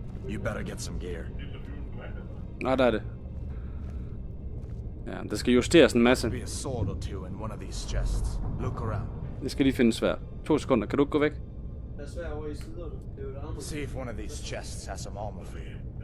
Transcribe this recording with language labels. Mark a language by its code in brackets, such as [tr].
[en] You better get some gear. [da] Nej, der er det. Ja, der skal justeres en masse. [en] There should be a sword or two in one of these chests. Look around. [da] Jeg skal lige finde svær. 2 sekunder, kan du ikke gå væk? [en] Let's see if one of these chests has some armor for you.